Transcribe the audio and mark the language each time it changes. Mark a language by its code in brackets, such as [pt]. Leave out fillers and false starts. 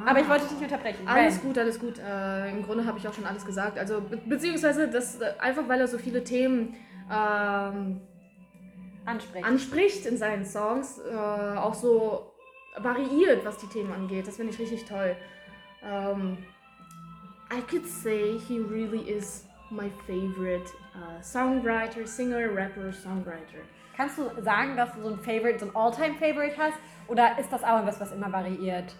[de] Aber ich wollte dich nicht unterbrechen. Alles Ren. Gut, alles gut. Im Grunde habe ich auch schon alles gesagt. Also beziehungsweise das, einfach weil er so viele Themen anspricht in seinen Songs. Auch so variiert, was die Themen angeht. Das finde ich richtig toll. [en] I could say he really is my favorite songwriter, singer, rapper, songwriter. [de] Kannst du sagen, dass du so ein Favorite, so ein All-Time-Favorite hast? Oder ist das auch etwas, was immer variiert?